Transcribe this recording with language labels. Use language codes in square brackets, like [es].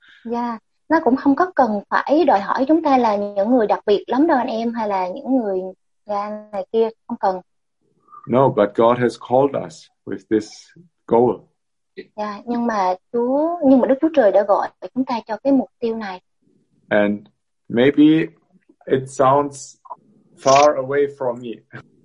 [vi] Yeah, nó cũng không có cần phải đòi hỏi chúng ta là những người đặc biệt lắm đâu anh em, hay là những người này kia, không cần. [en] No, but God has called us with this goal. [vi] Yeah, nhưng mà Đức Chúa Trời đã gọi chúng ta cho cái mục tiêu này. [en] And maybe it sounds far away from me.